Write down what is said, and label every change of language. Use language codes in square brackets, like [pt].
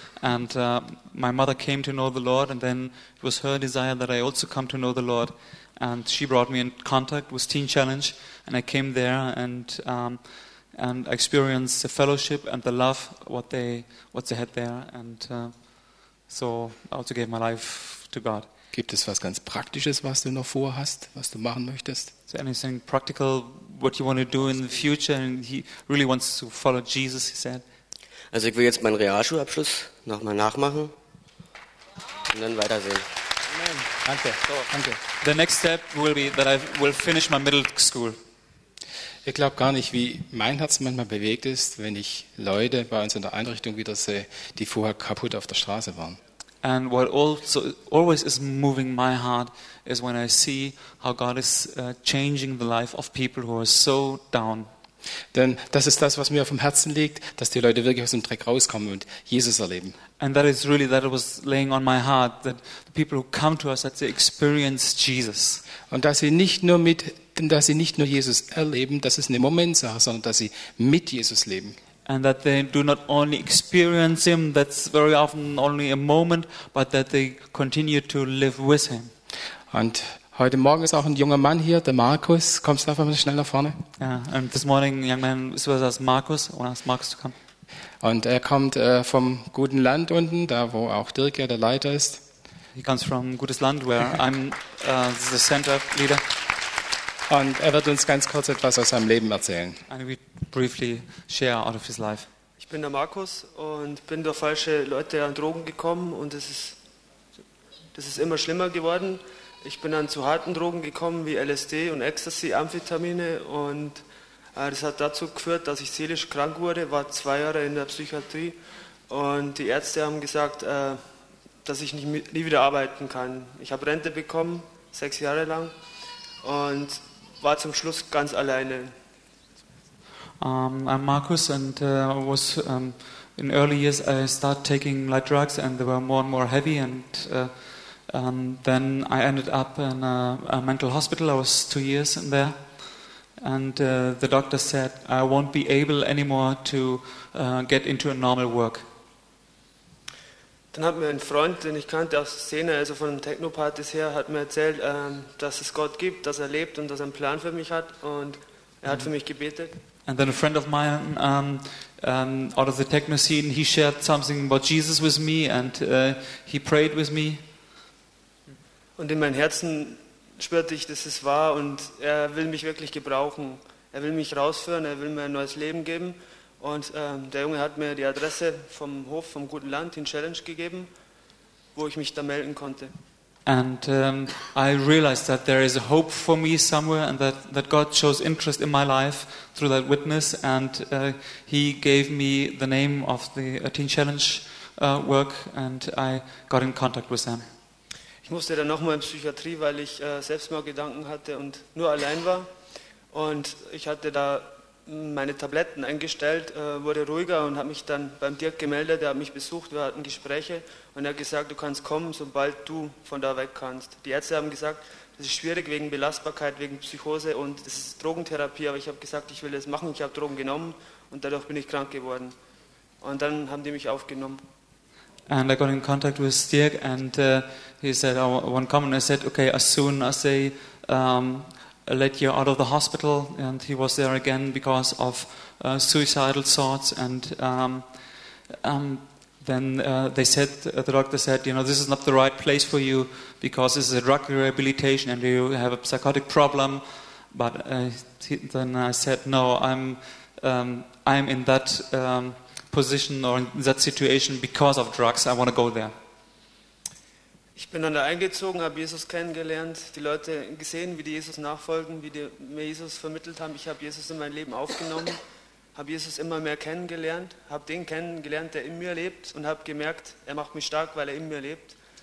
[en] And my mother came to know the Lord. And then it was her desire that I also come to know the Lord. And she brought me in contact with Teen Challenge, and I came there and experienced the fellowship and the love what they had there, and so I also gave my life to God. [de] Gibt es was ganz Praktisches, was du noch vorhast, was du machen möchtest? [en] Is there anything practical what you want to do in the future? And he really wants to follow Jesus, he said. [de] Also ich will jetzt meinen Realschulabschluss nochmal nachmachen und dann weitersehen. Amen. Amen. Danke. So, danke. [en] The next step will be that I will finish my middle school. [de] Ich glaube gar nicht, wie mein Herz manchmal bewegt ist, wenn ich Leute bei uns in der Einrichtung wieder sehe, die vorher kaputt auf der Straße waren. [en] And what also always is moving my heart is when I see how God is changing the life of people who are so down. [de] Denn das ist das, was mir auf dem Herzen liegt, dass die Leute wirklich aus dem Dreck rauskommen und Jesus erleben. [en] And that is really that it was laying on my heart that the people who come to us that they experience Jesus. [de] Und dass sie nicht nur mit, dass sie nicht nur Jesus erleben, das ist eine Momentsache, sondern dass sie mit Jesus leben. [en] And that they do not only experience him, that's very often only a moment, but that they continue to live with him. [de] Und heute Morgen ist auch ein junger Mann hier, der Markus. Kommst du einfach mal schnell nach vorne? [en] Ja, yeah, and this morning young man is with us, Markus. I want to ask Markus to come. [de] Und er kommt vom guten Land unten, da wo auch Dirk ja der Leiter ist. [en] He comes from gutes Land, where I'm the center leader. [de] Und er wird uns ganz kurz etwas aus seinem Leben erzählen. [en] And we briefly share out of his life. [de] Ich bin der Markus und bin durch falsche Leute an Drogen gekommen und das ist immer schlimmer geworden. Ich bin dann zu harten Drogen gekommen, wie LSD und Ecstasy, Amphetamine, und das hat dazu geführt, dass ich seelisch krank wurde, war 2 Jahre in der Psychiatrie, und die Ärzte haben gesagt, dass ich nie wieder arbeiten kann. Ich habe Rente bekommen, 6 Jahre lang, und war zum Schluss ganz alleine. [en] I'm Markus, and was in early years I started taking light drugs, and they were more and more heavy, and then I ended up in a mental hospital. I was 2 years in there, and the doctor said I won't be able anymore to get into a normal work. [de] Dann hat mir ein Freund, den ich kannte aus der Szene, also von den Techno-Partys her, hat mir erzählt, dass es Gott gibt, dass er lebt und dass er einen Plan für mich hat, und er hat für mich gebetet. [en] And then a friend of mine out of the techno scene, he shared something about Jesus with me, and he prayed with me. [de] Und in meinem Herzen spürte ich, dass es wahr, und er will mich wirklich gebrauchen. Er will mich rausführen, er will mir ein neues Leben geben. Und der Junge hat mir die Adresse vom Hof, vom guten Land, in Challenge gegeben, wo ich mich da melden konnte. [en] And I realized that there is a hope for me somewhere, and that God shows interest in my life through that witness, and he gave me the name of the Teen Challenge work, and I got in contact with them. [de] Ich musste dann nochmal in Psychiatrie, weil ich selbst mal Gedanken hatte und nur allein war. Und ich hatte da meine Tabletten eingestellt, wurde ruhiger und habe mich dann beim Dirk gemeldet. Der hat mich besucht, wir hatten Gespräche, und er hat gesagt, du kannst kommen, sobald du von da weg kannst. Die Ärzte haben gesagt, das ist schwierig wegen Belastbarkeit, wegen Psychose, und das ist Drogentherapie. Aber ich habe gesagt, ich will das machen. Ich habe Drogen genommen und dadurch bin ich krank geworden. Und dann haben die mich aufgenommen. [en] And I got in contact with Dirk, and he said, I want to come. And I said, okay, as soon as they let you out of the hospital. And he was there again because of suicidal thoughts. And then they said, the doctor said, you know, this is not the right place for you because this is a drug rehabilitation and you have a psychotic problem. But then I said, no, I'm in that position or in that situation because of drugs. I want to go there. [de] Ich bin dann da eingezogen, habe Jesus kennengelernt, die Leute gesehen, wie die Jesus nachfolgen, wie die mir Jesus vermittelt haben. Ich habe Jesus in mein Leben aufgenommen, habe Jesus immer mehr kennengelernt, habe den kennengelernt, der in mir lebt, und habe gemerkt, er macht mich stark, weil er in mir lebt.